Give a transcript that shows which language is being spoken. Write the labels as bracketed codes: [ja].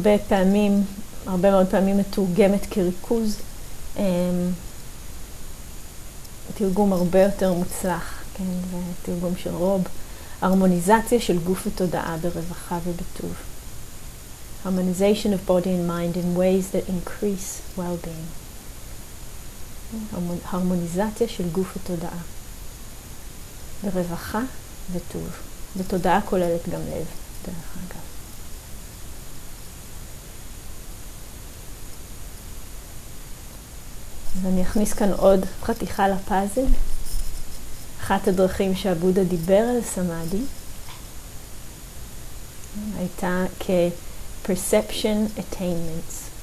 [he] הרבה מאוד פעמים מתורגמת כריכוז. תרגום הרבה יותר מוצלח, כן? ותרגום של רוב. הרמוניזציה של גוף ותודעה ברווחה ובטוב. [en] Harmonization of body and mind in ways that increase well-being. [he] הרמוניזציה של גוף ותודעה ברווחה וטוב. ותודעה כוללת גם לב, דרך אגב. אז אני אכניס כאן עוד חתיכה לפאזל. אחת הדרכים שהבודה דיבר על סמדהי הייתה כ-perception attainments,